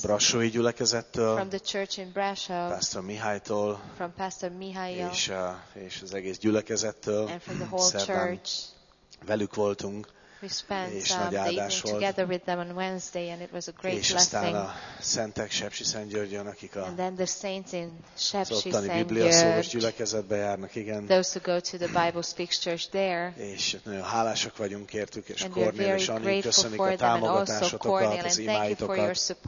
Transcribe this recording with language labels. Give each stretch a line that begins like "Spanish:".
Hungarian: Brassói gyülekezettől.
English: From the church in Brasov.
Hungarian: Pastor Mihálytól.
English: From Pastor Mihályo.
Hungarian: És az egész gyülekezettől.
English: And from the whole church.
Hungarian: Velük voltunk.
English: We spent the evening together with them on Wednesday, and it was a great blessing.
Hungarian: És aztán a szentek Sepsiszentgyörgyön, akik a
English: and then the saints in
Hungarian: Sepsiszentgyörgy, igen.
English: Those who go to the Bible Speaks Church there.
Hungarian: És nagyon hálásak vagyunk értük, és Cornél és Annyi, köszönjük a támogatásotokat, az imáitokat.